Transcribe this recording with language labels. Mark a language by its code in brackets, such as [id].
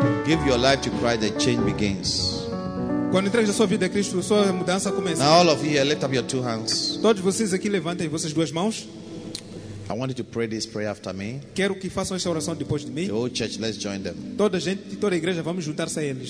[en] Give your life to Christ, the change begins. [pt] Quando entregas a sua vida a Cristo, a sua mudança começa. [en] Now all of you, lift up your two hands. [pt] Todos vocês aqui levantem vossas duas mãos. [en] I want you to pray this prayer after me. [pt] Quero que façam esta oração depois de mim. [en] The whole church, let's join them. [pt] Toda a gente, toda a igreja, vamos juntar-se a eles.